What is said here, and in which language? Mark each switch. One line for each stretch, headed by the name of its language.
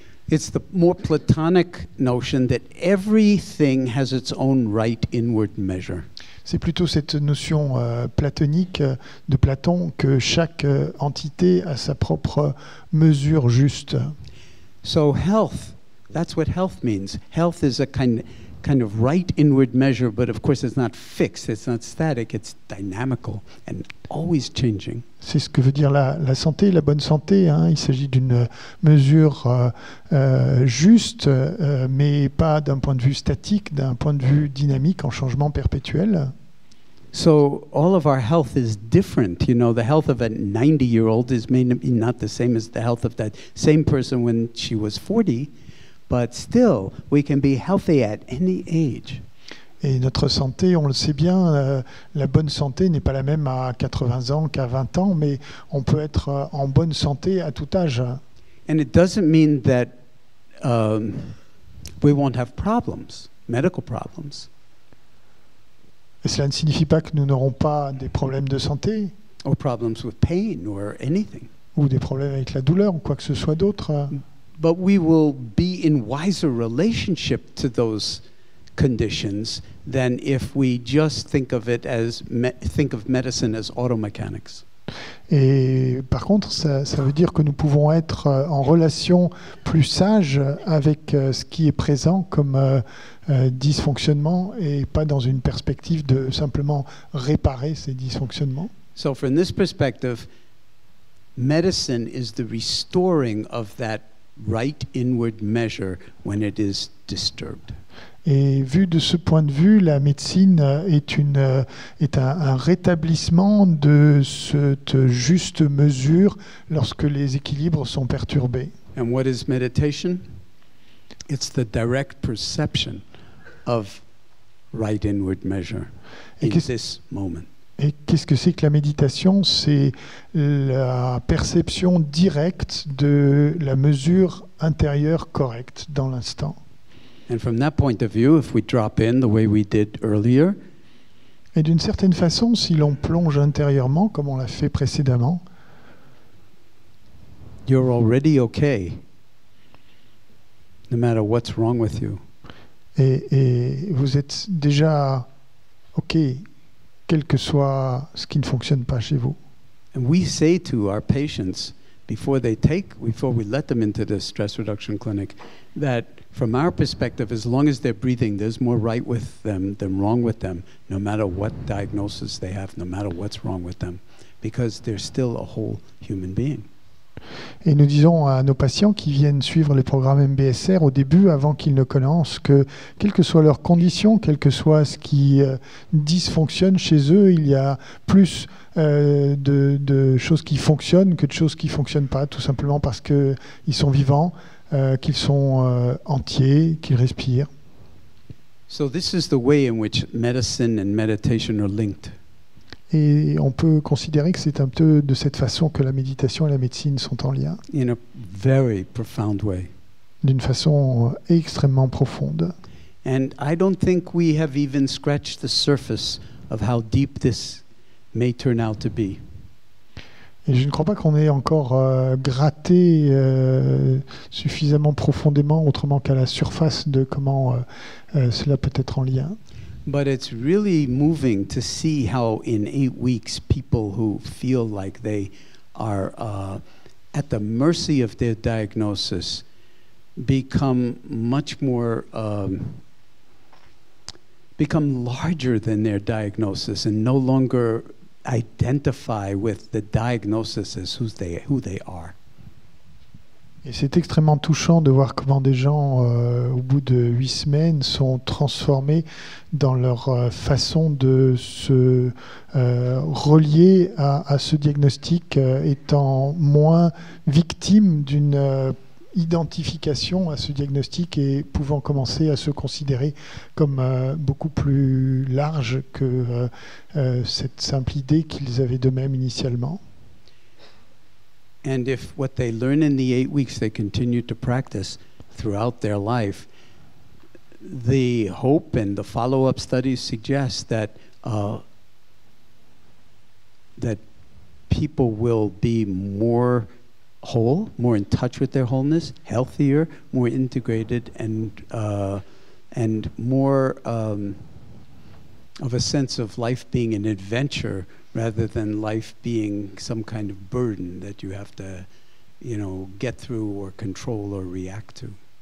English: It's the more Platonic notion that everything has its own right inward measure.
French: C'est plutôt cette notion platonique de Platon que chaque entité a sa propre mesure juste.
English: So health, that's what health means. Health is a kind of right inward measure, but of course it's not fixed, it's not static, it's dynamical and always changing.
French: C'est ce que veut dire la santé, la bonne santé, hein. Il s'agit d'une mesure juste, mais pas d'un point de vue statique, d'un point de vue dynamique, en changement perpétuel.
English: So all of our health is different, you know, the health of a 90-year-old is maybe not the same as the health of that same person when she was 40, but still, we can be healthy at any age.
French: Et notre santé, on le sait bien, la bonne santé n'est pas la même à 80 ans qu'à 20 ans, mais on peut être en bonne santé à tout âge.
English: And it doesn't mean that we won't have problems, medical problems.
French: Et cela ne signifie pas que nous n'aurons pas des problèmes de santé.
English: Or problems with pain or anything.
French: Ou des problèmes avec la douleur ou quoi que ce soit d'autre.
English: But we will be in wiser relationship to those conditions than if we just think of it as think of medicine as auto mechanics.
French: Et par contre, ça veut dire que nous pouvons être en relation plus sage avec ce qui est présent comme dysfonctionnement et pas dans une perspective de simplement réparer ces dysfonctionnements.
English: So from this perspective, medicine is the restoring of that right inward measure when it is disturbed.
French: Et vu de ce point de vue, la médecine est un rétablissement de cette juste mesure lorsque les équilibres sont perturbés.
English: And what is meditation? It's the direct perception of right inward measure in this moment.
French: Et qu'est-ce que c'est que la méditation? C'est la perception directe de la mesure intérieure correcte dans l'instant.
English: And from that point of view, if we drop in the way we did earlier,
French: et d'une certaine façon, si l'on plonge intérieurement comme on l'a fait précédemment,
English: you're already okay, no matter what's wrong with you.
French: Et vous êtes déjà okay, quel que soit ce qui ne fonctionne pas chez vous.
English: And we say to our patients before we let them into the stress reduction clinic that From our perspective, as long as they're breathing, there's more right with them than wrong with them, no matter what diagnosis they have, no matter what's wrong with them, because they're still a whole human being.
French: Et nous disons à nos patients qui viennent suivre les programmes MBSR au début, avant qu'ils ne commencent, que quelles que soient leurs conditions, quel que soit ce qui dysfonctionne chez eux, il y a plus de choses qui fonctionnent que de choses qui ne fonctionnent pas, tout simplement parce qu'ils sont vivants, qu'ils sont entiers, qu'ils respirent.
English: So this is the way in which medicine and meditation are linked.
French: Et on peut considérer que c'est un peu de cette façon que la méditation et la médecine sont en lien.
English: In a very profound way.
French: D'une façon extrêmement profonde.
English: And I don't think we have even scratched the surface of how deep this may turn out to be.
French: Et je ne crois pas qu'on ait encore gratté suffisamment profondément, autrement qu'à la surface, de comment cela peut être en lien.
English: But it's really moving to see how in 8 weeks people who feel like they are at the mercy of their diagnosis become much more become larger than their diagnosis and no longer identify with the diagnosis as who they are.
French: Et c'est extrêmement touchant de voir comment des gens, au bout de 8 semaines, sont transformés dans leur façon de se relier à ce diagnostic, étant moins victimes d'une identification à ce diagnostic et pouvant commencer à se considérer comme beaucoup plus large que cette simple idée qu'ils avaient d'eux-mêmes initialement.
English: And if what they learn in the 8 weeks they continue to practice throughout their life, the hope and the follow-up studies suggest that that people will be more whole, more in touch with their wholeness, healthier, more integrated, and more of a sense of life being an adventure rather than life being some kind of burden that you have to, you know, get through or control or react to.